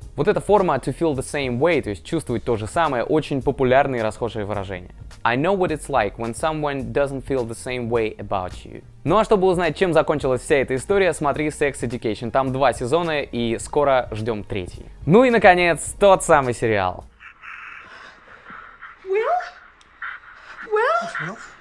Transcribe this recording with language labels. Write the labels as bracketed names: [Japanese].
[Russian] Вот эта форма [English] to feel the same way, [Russian] то есть чувствовать то же самое, очень популярное и расхожее выражение. [English] I know what it's like when someone doesn't feel the same way about you. [Russian] Ну а чтобы узнать, чем закончилась вся эта история, смотри Sex Education. Там 2 сезона, и скоро ждем 3-й. Ну и, наконец, тот самый сериал. [English] Will? Will?